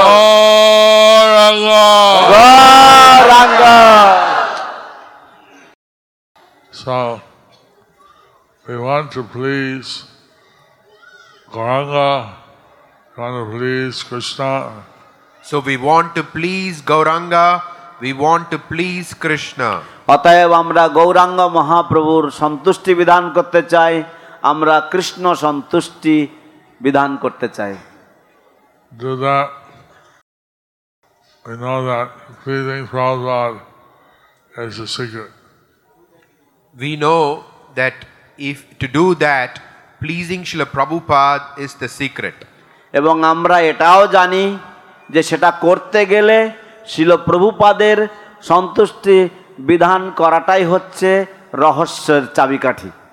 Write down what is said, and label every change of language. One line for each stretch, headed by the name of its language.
English: Gauranga! Gauranga! So, we want to please Gauranga, we want to please Krishna. So we want to please Gauranga, we want to please Krishna.
Bangla: অতএব আমরা গৌরাঙ্গ মহাপ্রভুর সন্তুষ্টি বিধান করতে চাই, আমরা কৃষ্ণ সন্তুষ্টি বিধান করতে চাই.
English: Do that. We know that pleasing Prabhupada is a secret. We know that if to do that, pleasing Srila Prabhupada is the secret.
Bangla: এবং আমরা এটাও জানি যে সেটা করতে গেলে শিল প্রভুপাদের সন্তুষ্টি বিধান করাটাই হচ্ছে রহস্যের চাবিকাঠি